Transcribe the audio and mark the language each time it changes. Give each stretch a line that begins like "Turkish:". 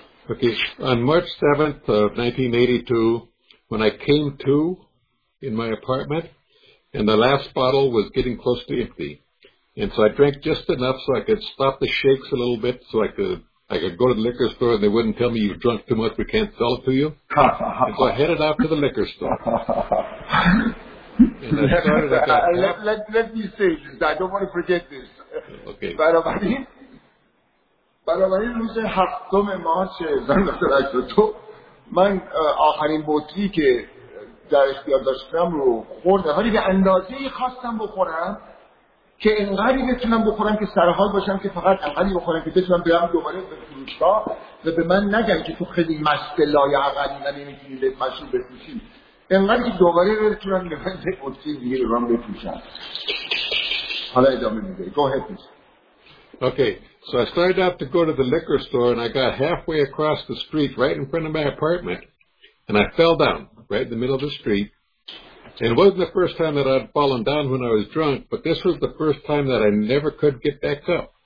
English: Okay, on March 7th of 1982, when I came to in my apartment, and the last bottle was getting close to empty, and so I drank just enough so I could stop the shakes a little bit, so I could go to the liquor store, and they wouldn't tell me, you've drunk too much, we can't sell it to you. And so I headed out to the liquor store. let me say this, I don't want to forget this. Okay.
Persian: بنابراین روز هفتم مارچ 1982 من آخرین بطری که در اختیار داشتم رو خوردم، ولی به اندازه خواستم بخورم که انقدری بتونم بخورم که سرحال باشم، که فقط اقلی بخورم که بتونم برم دوباره به فروشگاه و به من نگن که تو خیلی مست لایعقلی و نمیتونی به مشروب بفروشی، انقدر که دوباره بتونم به من به بطری دیگه رو هم بفروشم. حالا ادامه میده.
English: Go ahead please. Okay, so I started out to go to the liquor store, and I got halfway across the street right in front of my apartment, and I fell down right in the middle of the street. And it wasn't the first time that I'd fallen down when I was drunk, but this was the first time that I never could get back up.